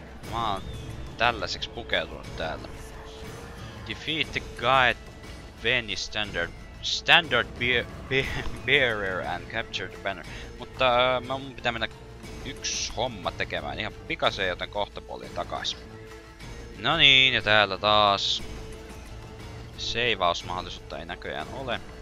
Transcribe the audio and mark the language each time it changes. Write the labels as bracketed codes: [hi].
[fi] Mä oon tällaiseksi pukeutunut täällä. [en] Defeat the guide Venny standard bearer and capture the banner. [fi] Mutta mun pitää mennä yksi homma tekemään ihan pikaseen, joten kohtapuoliin takaisin. No niin, ja täällä taas. Seivausmahdollisuutta ei näköjään ole.